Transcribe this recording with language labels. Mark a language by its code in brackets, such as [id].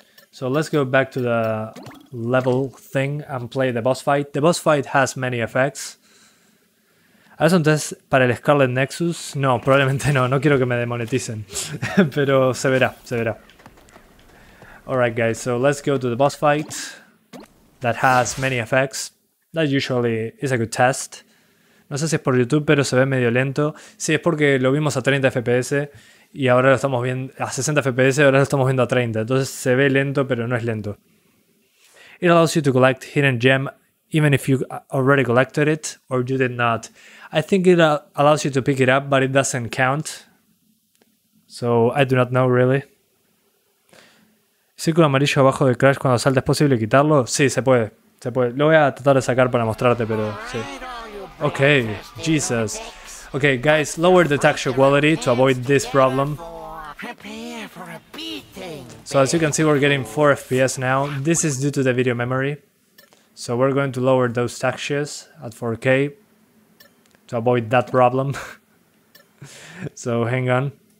[en] So let's go back to the level thing and play the boss fight. The boss fight has many effects. [es] ¿Has un test para el Scarlet Nexus? No, probablemente no, no quiero que me demoneticen. Pero se verá, se verá. [en] Alright guys, so let's go to the boss fight. That has many effects. That usually is a good test. [es] No sé si es por YouTube, pero se ve medio lento. Sí, es porque lo vimos a 30 FPS. Y ahora lo estamos viendo a 60 FPS, ahora lo estamos viendo a 30. Entonces se ve lento, pero no es lento. [en] It allows you to collect hidden gem even if you already collected it or you did not. I think it allows you to pick it up, but it doesn't count. So I do not know really. [es] Círculo amarillo abajo del crash cuando salta, ¿es posible quitarlo? Sí, se puede. Se puede. Lo voy a tratar de sacar para mostrarte, pero sí. [en] Okay, Jesus. Okay, guys, lower the texture quality to avoid this problem. So as you can see, we're getting 4 FPS now. This is due to the video memory. So we're going to lower those textures at 4K to avoid that problem. So hang on.